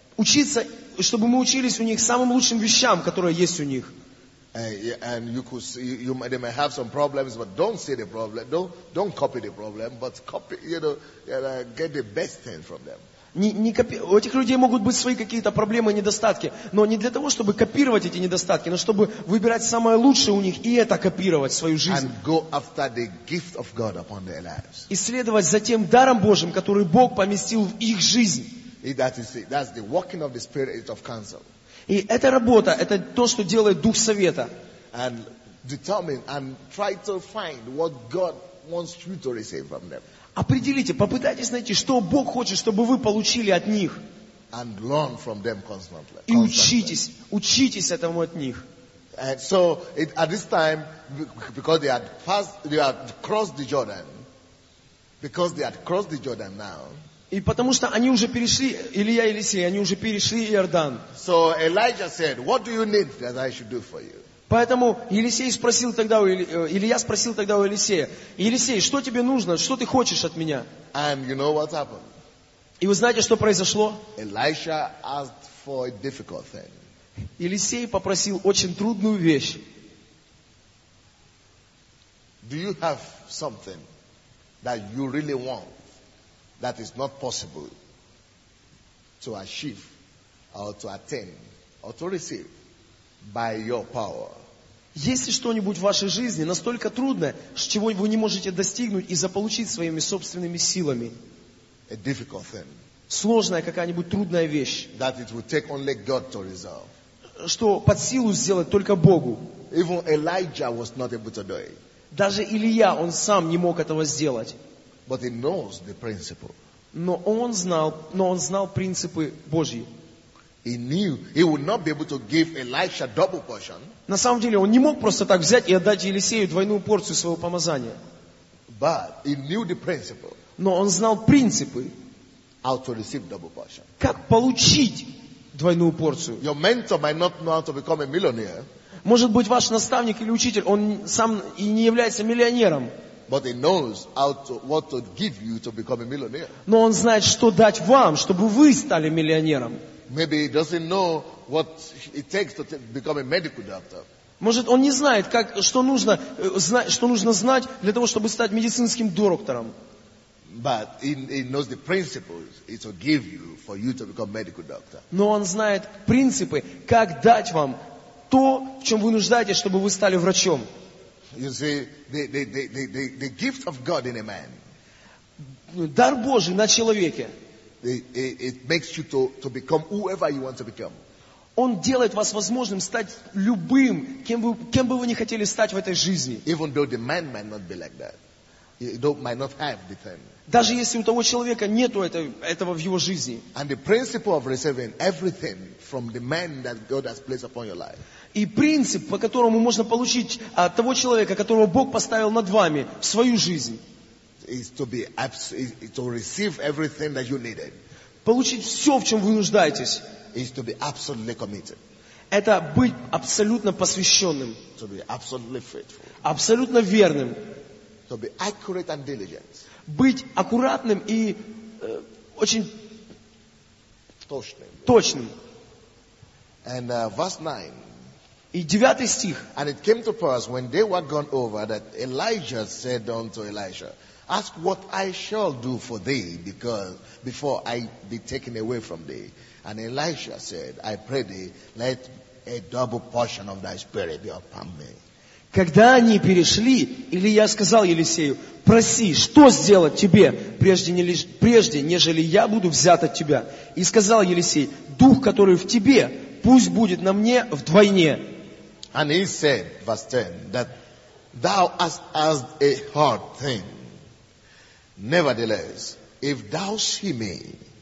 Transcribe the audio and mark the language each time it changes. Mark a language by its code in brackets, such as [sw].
[ru] Учиться, чтобы мы учились у них самым лучшим вещам, которые есть у них. [en] And you could see, they may have some problems, but don't see the problem. Don't copy the problem, but copy, get the best thing from them. [ru] У этих людей могут быть свои какие-то проблемы и недостатки, но не для того, чтобы копировать эти недостатки, но чтобы выбирать самое лучшее у них и это копировать в свою жизнь. [en] And go after the gift of God upon their lives. [ru] Исследовать за тем даром Божьим, который Бог поместил в их жизнь. [en] That's the working of the Spirit of counsel. [ru] И эта работа, это то, что делает Дух Совета. [en] And determine and try to find what God wants you to receive from them. [ru] Определите, попытайтесь найти, что Бог хочет, чтобы вы получили от них. [en] And learn from them constantly. [ru] И учитесь этому от них. [en] And so at this time, because they had crossed the Jordan now. [ru] И потому что они уже перешли, Илия и Елисей, они уже перешли Иордан. [en] So Elijah said, "What do you need that I should do for you?" [ru] Поэтому Илия спросил тогда у Елисея: «Елисей, что тебе нужно? Что ты хочешь от меня?» [en] And you know what happened? [ru] И вы знаете, что произошло? [en] Elisha asked for a difficult thing. [ru] Елисей попросил очень трудную вещь. [en] Do you have something that you really want that is not possible to achieve or to attain or to receive? By your power. [ru] Есть ли что-нибудь в вашей жизни настолько трудное, чего вы не можете достигнуть и заполучить своими собственными силами? [en] A difficult thing. [ru] Сложная какая-нибудь трудная вещь. [en] That it would take only God to resolve. [ru] Что под силу сделать только Богу. [en] Even Elijah was not able to do it. [ru] Даже Илия, он сам не мог этого сделать. [en] But he knows the principle. [ru] Но он знал принципы Божьи. [en] He knew he would not be able to give Elisha double portion. [ru] На самом деле он не мог просто так взять и отдать Елисею двойную порцию своего помазания. [en] But he knew the principle. [ru] Но он знал принципы. [en] How to receive double portion. [ru] Как получить двойную порцию? [en] Your mentor might not know how to become a millionaire. [ru] Может быть, ваш наставник или учитель, он сам и не является миллионером. [en] But he knows how to what to give you to become a millionaire. [ru] Но он знает, что дать вам, чтобы вы стали миллионером. [en] Maybe he doesn't know what it takes to become a medical doctor. [ru] Может, он не знает, как, что нужно знать для того, чтобы стать медицинским доктором. [en] But he knows the principles it will give you for you to become a medical doctor. [ru] Но он знает принципы, как дать вам то, в чем вы нуждаетесь, чтобы вы стали врачом. [en] You see, the gift of God in a man. [ru] Дар Божий на человеке. [en] It makes you to become whoever you want to become. [ru] Он делает вас возможным стать любым, кем бы вы ни хотели стать в этой жизни. [en] Even though the man might not be like that, might not have the time. [ru] Даже если у того человека нету этого в его жизни. [en] And the principle of receiving everything from the man that God has placed upon your life. [ru] И принцип, по которому можно получить от того человека, которого Бог поставил над вами в свою жизнь. [en] Is to be to receive everything that you needed. [ru] Получить все, в чем вы нуждаетесь. [en] Is to be absolutely committed. [ru] Это быть абсолютно посвященным. [en] To be absolutely faithful. [ru] Абсолютно верным. [en] To be accurate and diligent. [ru] Быть аккуратным и очень точным. Точным. [en] And verse 9. [ru] И 9 стих. [en] And it came to pass when they were gone over that Elijah said unto Elisha, Ask what I shall do for thee, because before I be taken away from thee. And Elisha said, I pray thee, let a double portion of thy spirit be upon me. [ru] Когда они перешли, Илия сказал Елисею, проси, что сделать тебе, прежде нежели я буду взят от тебя. И сказал Елисей, дух, который в тебе, пусть будет на мне вдвойне. [en] And he said, verse 10, that thou hast asked a hard thing. Nevertheless, if thou see me